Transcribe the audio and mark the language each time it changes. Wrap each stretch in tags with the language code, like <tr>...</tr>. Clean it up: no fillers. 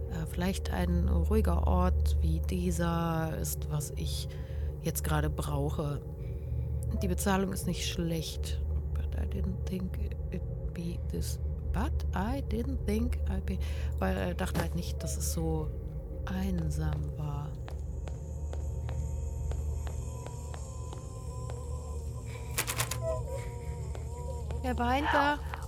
<de>Vielleicht ein ruhiger Ort wie dieser ist, was ich jetzt gerade brauche. Die Bezahlung ist nicht schlecht.</de> <en>But I didn't think it'd be this. But I didn't think I'd be.</en> <de>Weil ich dachte halt nicht, dass es so einsam war. Er weint da.</de>